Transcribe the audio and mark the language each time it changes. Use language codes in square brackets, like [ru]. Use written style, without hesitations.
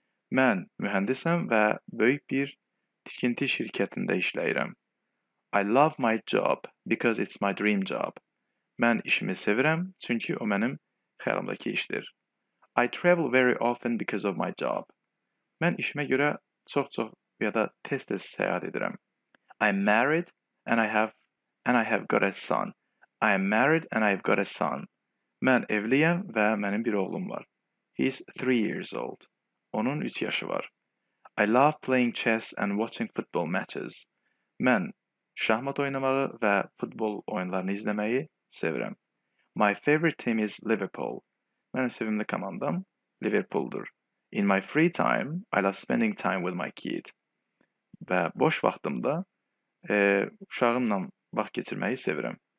[az] Mən mühəndisəm və böyük bir tikinti şirkətində işləyirəm. [en] I love my job because it's my dream job. [az] Mən işimi sevirəm çünki o mənim xəyalımdakı işdir. [en] I travel very often because of my job. [az] Mən işimə görə çox-çox ya da tez-tez səyahət edirəm. [en] I'm married and I have got a son. I am married and I've got a son. [az] Mən evliyəm və mənim bir oğlum var. [en] He's 3 years old. [az] Onun 3 yaşı var. [en] I love playing chess and watching football matches. [az] Mən şahmat oynamağı və futbol oyunlarını izləməyi sevirəm. [en] My favorite team is Liverpool. [az] Mənim sevimli komandam Liverpool'dur. [en] In my free time, I love spending time with my kid. [az] Və boş vaxtımda uşağımla vaxt keçirməyi sevirəm.